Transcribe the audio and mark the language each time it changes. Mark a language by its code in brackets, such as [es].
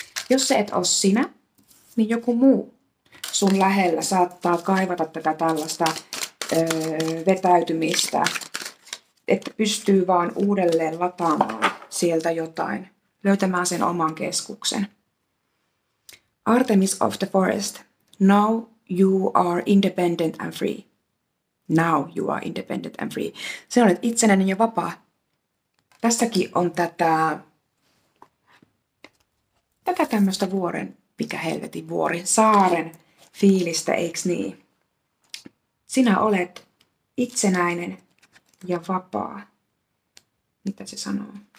[fi] Jos se et ole sinä, niin joku muu sun lähellä saattaa kaivata tätä tällaista vetäytymistä, että pystyy vaan uudelleen lataamaan sieltä jotain, löytämään sen oman keskuksen. [en] Artemis of the Forest, now you are independent and free. Now you are independent and free. [fi] Se on itsenäinen ja vapaa. Tässäkin on tätä tämmöistä vuoren, mikä helvetin vuori, saaren fiilistä, eiks niin? Sinä olet itsenäinen ja vapaa. Mitä se sanoo?